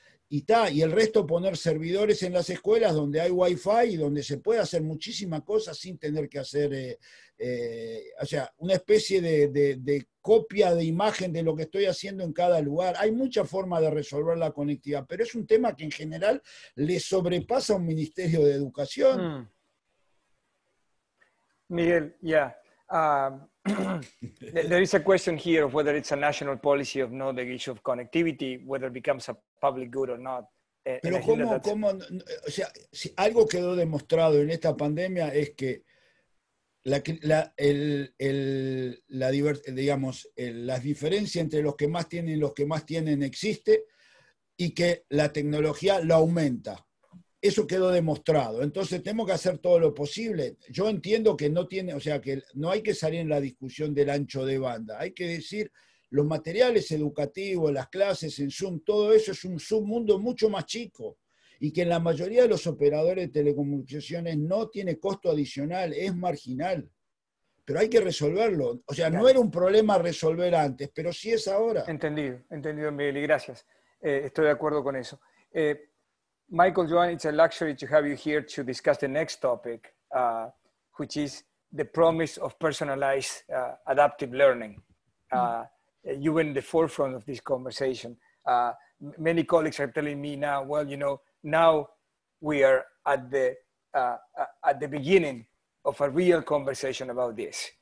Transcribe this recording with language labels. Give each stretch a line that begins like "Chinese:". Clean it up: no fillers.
Spanish: Y el resto poner servidores en las escuelas donde hay Wi-Fi y donde se puede hacer muchísima cosa sin tener que hacer, o sea, una especie de copia de imagen de lo que estoy haciendo en cada lugar. Hay muchas formas de resolver la conectividad, pero es un tema que en general le sobrepasa a un Ministerio de Educación.
English: Miguel, there is a question here of whether it's a national policy of not the issue of connectivity, whether it becomes a public good or not.
Spanish: Pero cómo, o sea, si algo quedó demostrado en esta pandemia es que las diferencias entre los que más tienen y los que más tienen existe y que la tecnología la aumenta. Eso quedó demostrado. Entonces tenemos que hacer todo lo posible. Yo entiendo que no hay que salir en la discusión del ancho de banda. Hay que decir, los materiales educativos, las clases en Zoom, todo eso es un submundo mucho más chico. Y que en la mayoría de los operadores de telecomunicaciones no tiene costo adicional, es marginal. Pero hay que resolverlo. O sea, no era un problema resolver antes, pero sí es ahora. Entendido, Miguel, y gracias. Estoy de acuerdo con eso.
English: Michael, Joan, it's a luxury to have you here to discuss the next topic, which is the promise of personalized adaptive learning. You were in the forefront of this conversation. Many colleagues are telling me now, well, you know, now we are at the beginning of a real conversation about this.